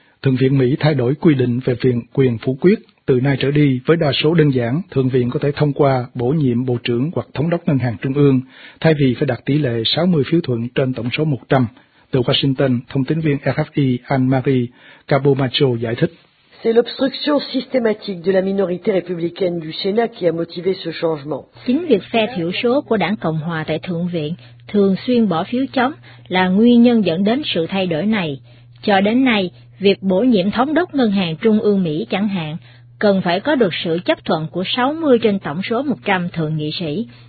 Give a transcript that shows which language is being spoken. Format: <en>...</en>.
<vi>Thượng viện Mỹ thay đổi quy định về việc quyền phủ quyết. Từ nay trở đi, với đa số đơn giản, Thượng viện có thể thông qua bổ nhiệm Bộ trưởng hoặc Thống đốc Ngân hàng Trung ương, thay vì phải đạt tỷ lệ 60 phiếu thuận trên tổng số 100. Từ Washington, thông tín viên RFI Anne-Marie Cabomacho giải thích.</vi> <fr>C'est l'obstruction systématique de la minorité républicaine du Sénat qui a motivé ce changement.</fr> <vi>Chính việc phe thiểu số của Đảng Cộng hòa tại Thượng viện thường xuyên bỏ phiếu chống là nguyên nhân dẫn đến sự thay đổi này. Cho đến nay, việc bổ nhiệm thống đốc Ngân hàng Trung ương Mỹ chẳng hạn cần phải có được sự chấp thuận của 60 trên tổng số 100 thượng nghị sĩ.</vi>